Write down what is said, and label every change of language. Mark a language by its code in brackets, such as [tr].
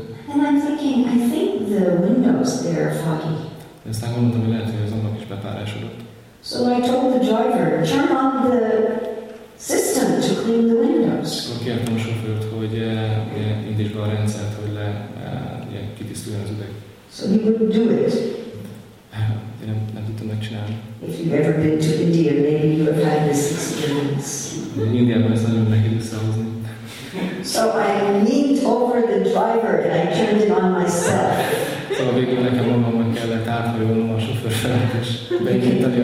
[en] And I'm thinking, I think the windows there are foggy. [hu] Aztán gondoltam, hogy lehet, hogy az ablak is bepárásodott. [en] So I told the driver, turn on the system to clean the windows. [hu] Akkor kértem a sofőrt, hogy indítsd be a rendszert, hogy kitisztuljon az üveg. [en] So he wouldn't do it. [hu] Én nem tudtam megcsinálni. [en] If you've ever been to India, maybe you have had this experience. [hu] De Indiában ezt nagyon nehéz összehozni. [en] So I leaned over the driver and I turned it on myself. [hu] Szóval végül nekem mondom, hogy kellett áthajolnom a sofőr felett, és beindítani a